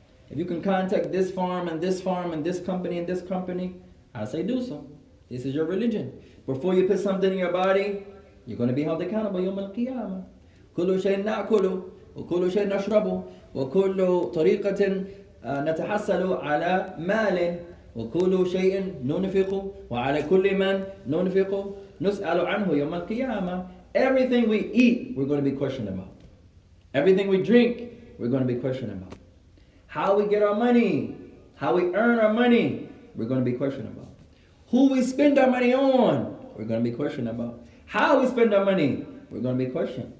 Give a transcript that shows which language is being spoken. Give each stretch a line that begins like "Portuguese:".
English: If you can contact this farm and this farm and this company and this company, I say do so. This is your religion. Before you put something in your body, you're going to be held accountable.
Arabic: يوم القيامة. كل شيء نأكل وكل شيء نشرب وكل طريقة نتحصل على مال وكل شيء ننفق وعلى كل من ننفق نسأل عنه يوم القيامة.
English: Everything we eat, we're going to be questioned about. Everything we drink, we're going to be questioned about. How we get our money, how we earn our money, we're going to be questioned about. Who we spend our money on, we're going to be questioned about. How we spend our money, we're going to be questioned.